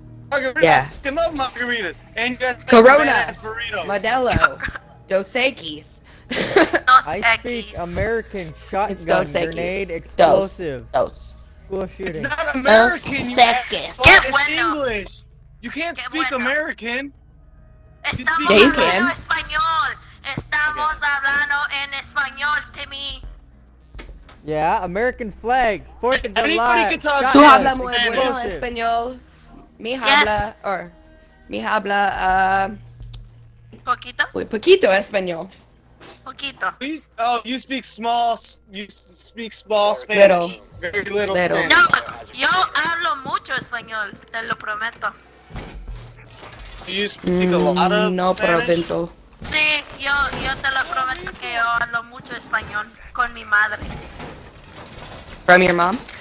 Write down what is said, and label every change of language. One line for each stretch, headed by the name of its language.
English: Margarita. I love margaritas. And you guys Corona. Burritos. Modelo. Dos Equis. Dos Equis. I speak American shotgun grenade explosive. Dos. It's not American. Dos Equis. Get it's English. You can't speak American.
Spanish: Estamos hablando español. Estamos hablando en español, Timmy.
English: Yeah, American flag. Fourth of July. Anybody can talk shit.
Spanish: Tú hablas muy bueno español. Me habla, or me habla, poquito. Poquito español. Poquito.
English: You speak small Spanish. Little. Spanish.
Spanish: No, yo hablo mucho español. Te lo prometo.
English: You speak a lot of no Spanish?
Spanish: Prometo. Sí, yo te lo prometo que yo hablo mucho español con mi madre.
English: From your mom?